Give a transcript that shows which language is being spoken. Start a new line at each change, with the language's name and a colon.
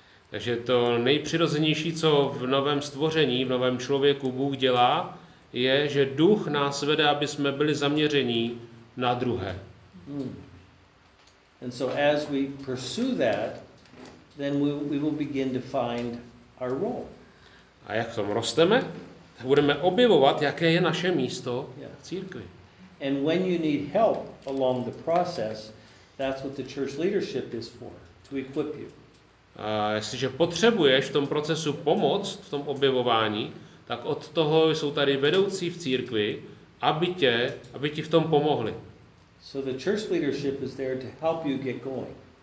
Czech: Takže to nejpřirozenější, co v novém stvoření, v novém člověku Bůh dělá, je, že Duch nás vede, aby jsme byli zaměření na druhé. Hmm.
English: And so as we pursue that, then we will begin to find our role.
Czech: A jak v tom rosteme, tak budeme objevovat, jaké je naše místo v církvi.
English: And when you need help along the process, that's what the church leadership is for, to equip you.
Czech: A jestliže potřebuješ v tom procesu pomoc, v tom objevování, tak od toho jsou tady vedoucí v církvi, aby ti v tom pomohli.
English: So the church leadership is there to help you get going.